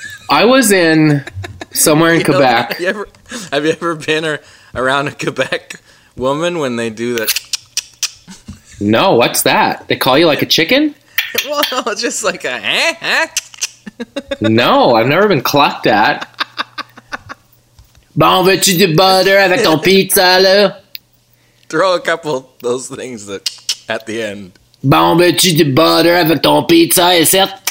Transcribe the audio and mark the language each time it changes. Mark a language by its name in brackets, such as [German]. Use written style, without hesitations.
[English] I was in somewhere in Quebec. Have you ever been around a Quebec woman when they do that? No, what's that? They call you like a chicken? Well, no, it's just like a eh? No, I've never been clucked at. [French] Bon veux-tu du butter avec ton pizza, là? [English] Throw a couple of those things that at the end. [French] Bon veux-tu du butter avec ton pizza, et c'est...